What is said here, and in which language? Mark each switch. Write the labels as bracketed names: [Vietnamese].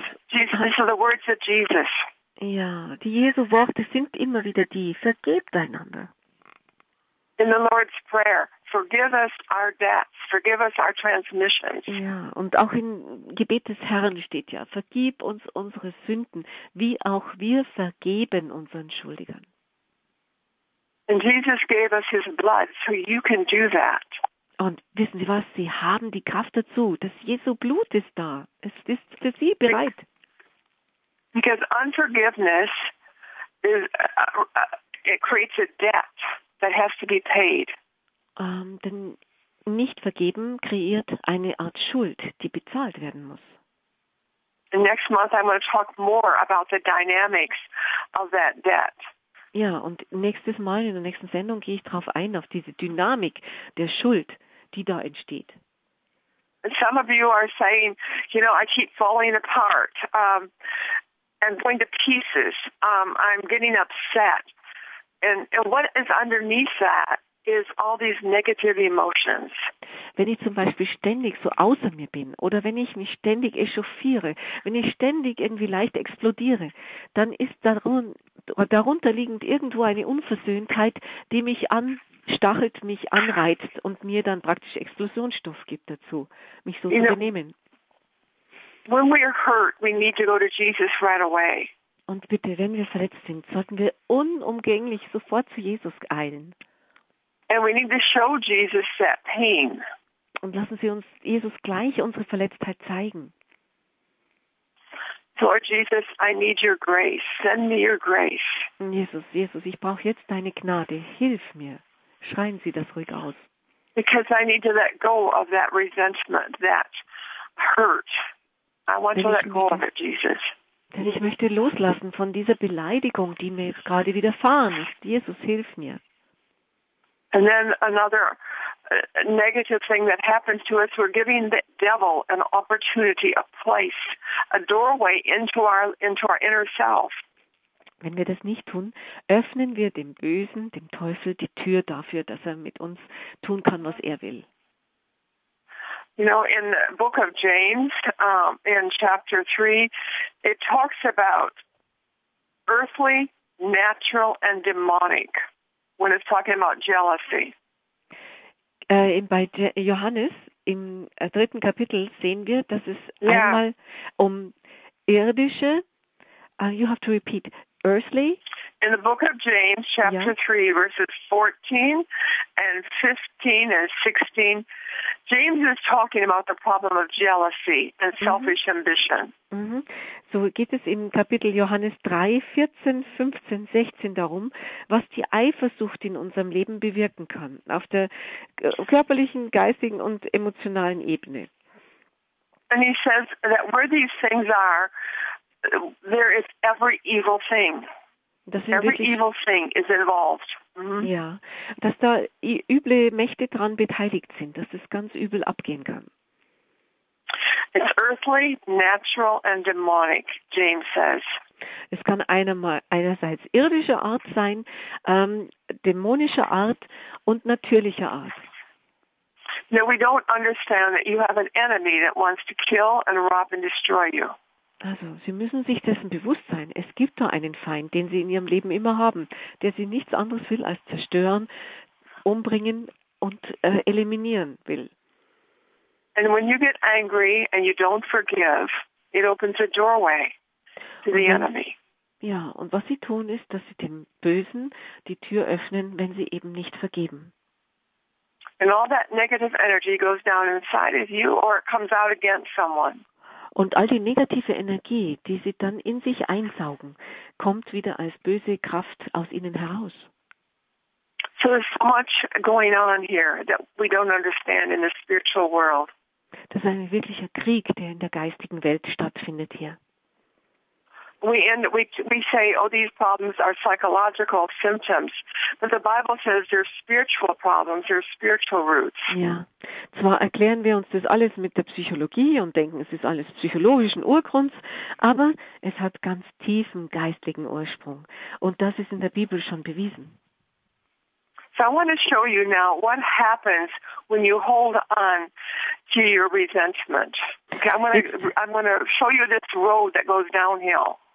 [English] These are the words of Jesus. [German] Ja, die Jesu Worte sind immer wieder die: Vergebt einander. [English] In the Lord's Prayer, forgive us our debts, forgive us our transgressions. [German] Ja, und auch im Gebet des Herrn steht ja: Vergib uns unsere Sünden, wie auch wir vergeben unseren Schuldigern. [English] And Jesus gave us His blood, so you can do that. [German] Und wissen Sie was, Sie haben die Kraft dazu. Das Jesu Blut ist da. Es ist für Sie bereit. [English] Because unforgiveness is, it creates a debt that has to be paid. [German] Denn nicht vergeben kreiert eine Art Schuld, die bezahlt werden muss. [English] And next month I'm going to talk more about the dynamics of that debt. [German] Ja, und nächstes Mal in der nächsten Sendung gehe ich darauf ein, auf diese Dynamik der Schuld, die da entsteht. [English] Some of you are saying, you know, I keep falling apart and going to pieces. I'm getting upset. And what is underneath that is all these negative emotions. [German] Wenn ich zum Beispiel ständig so außer mir bin oder wenn ich mich ständig echauffiere, wenn ich ständig irgendwie leicht explodiere, dann ist darunter liegend irgendwo eine Unversöhntheit, die mich anstachelt, mich anreizt und mir dann praktisch Explosionsstoff gibt dazu, mich so zu benehmen. [English] When we are hurt, we need to go to Jesus right away. [German] Und bitte, wenn wir verletzt sind, sollten wir unumgänglich sofort zu Jesus eilen. [English] And we need to show Jesus that pain. [German] Und lassen Sie uns Jesus gleich unsere Verletztheit zeigen. [English] Lord Jesus, I need your grace. Send me your grace. [German] Jesus, ich brauche jetzt deine Gnade. Hilf mir. Schreien Sie das ruhig aus. [English] Because I need to let go of that resentment, that hurt. I want to let go of it, Jesus. [German] Denn ich möchte loslassen von dieser Beleidigung, die mir jetzt gerade widerfahren ist. Jesus, hilf mir. [English] And then another negative thing that happens to us, we're giving the devil an opportunity, a place, a doorway into our inner self. [German] Wenn wir das nicht tun, öffnen wir dem Bösen, dem Teufel, die Tür dafür, dass er mit uns tun kann, was er will. [English] You know, in the book of James, in chapter 3, it talks about earthly, natural and demonic, when it's talking about jealousy. [German] Bei Johannes, im dritten Kapitel, sehen wir, dass es einmal um irdische, [English] you have to repeat, earthly. In the book of James, chapter 3, verses 14 and 15 and 16, James is talking about the problem of jealousy and selfish ambition. Mm-hmm. [German] So geht es im Kapitel Johannes 3, 14, 15, 16 darum, was die Eifersucht in unserem Leben bewirken kann, auf der körperlichen, geistigen und emotionalen Ebene. [English] And he says that where these things are, there is every evil thing. Every evil thing is involved. Mm-hmm. [German] Ja, dass da üble Mächte dran beteiligt sind, dass es ganz übel abgehen kann. [English] It's earthly, natural and demonic, James says. [German] Es kann einerseits irdischer Art sein, dämonischer Art und natürlicher Art. [English] No, we don't understand that you have an enemy that wants to kill and rob and destroy you. [German] Also, Sie müssen sich dessen bewusst sein. Es gibt da einen Feind, den Sie in Ihrem Leben immer haben, der Sie nichts anderes will als zerstören, umbringen und eliminieren will. [English] And when you get angry and you don't forgive, it opens a doorway to the enemy. [German] Ja, und was Sie tun, ist, dass Sie dem Bösen die Tür öffnen, wenn Sie eben nicht vergeben. [English] And all that negative energy goes down inside of you or it comes out against someone. [German] Und all die negative Energie, die Sie dann in sich einsaugen, kommt wieder als böse Kraft aus Ihnen heraus. [English] So there's so much going on here that we don't understand in the spiritual world. [German] Das ist ein wirklicher Krieg, der in der geistigen Welt stattfindet hier. [English] We say, oh, these problems are psychological symptoms. But the Bible says they're spiritual problems, they're spiritual roots. [German] Ja, zwar erklären wir uns das alles mit der Psychologie und denken, es ist alles psychologischen Urgrunds, aber es hat ganz tiefen geistlichen Ursprung. Und das ist in der Bibel schon bewiesen. [English] So I want to show you now what happens when you hold on to your resentment. Okay, I'm gonna show you this road that goes downhill.